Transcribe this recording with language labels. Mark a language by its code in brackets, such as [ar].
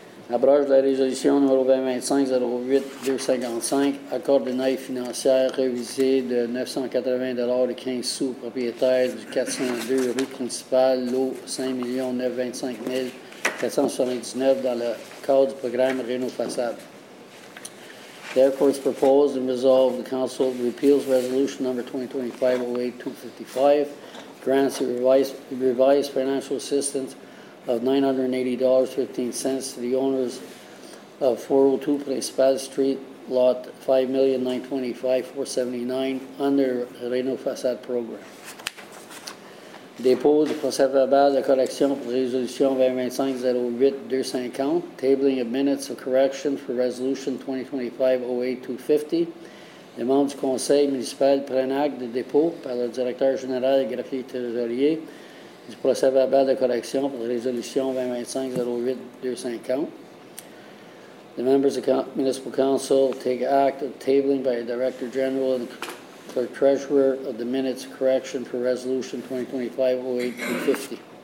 [fr] Abroge la résolution numéro 2025-08-255, accord d'une aide financière révisée de 980 $15 au propriétaire du 402 rue principale, lot 5,925,479 dans le cadre du programme Rénofaçade. [en] Therefore, it's proposed and resolved the Council repeals resolution number 2025-08-255. Grants the revised financial assistance of $980.15 to the owners of 402 Principal Street, lot 5,925,479, under Rénofaçade program. [fr] Dépôt du procès verbal de correction pour résolution 2025-08-250, [en] tabling of minutes of correction for resolution 2025-08-250. [fr] Les membres du conseil municipal prennent acte de dépôt par le directeur général et greffier trésorier du procès verbal de correction pour la résolution 2025-08-250. [en] The members of municipal council take act of tabling by the director general and clerk treasurer of the minutes correction for resolution 2025-08-250.